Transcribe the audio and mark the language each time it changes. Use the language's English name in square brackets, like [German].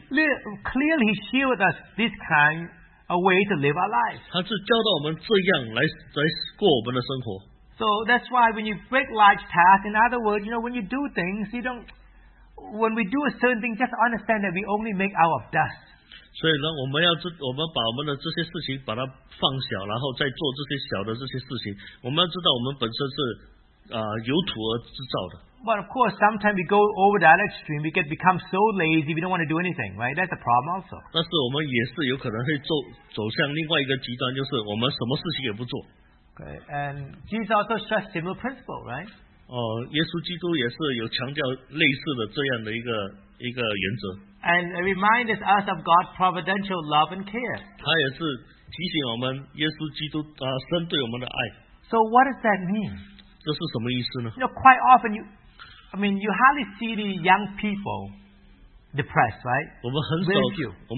[English] clearly share with us this kind of way to live our lives. [Chinese] 他是教导我们这样来过我们的生活。 [English] So that's why when you break large tasks, in other words, you know, when you do things, you don't, when we do a certain thing, just understand that we only make out of dust. [Chinese] 所以呢,我们要把我们的这些事情把它放小,然后再做这些小的这些事情,我们要知道我们本身是由土而制造的。 [English] But of course, sometimes we go over that extreme, we get become so lazy, we don't want to do anything, right? That's a problem also. [Chinese] 但是我们也是有可能会走向另外一个极端,就是我们什么事情也不做。 [English] Okay, and Jesus also stressed similar principle, right? [Chinese] 耶稣基督也是有强调类似的这样的一个原则。 [English] And it reminds us of God's providential love and care. [Chinese] 他也是提醒我们耶稣基督神对我们的爱。 [English] So what does that mean? [Chinese] 这是什么意思呢? [English] You know, quite often, you hardly see the young people depressed, right?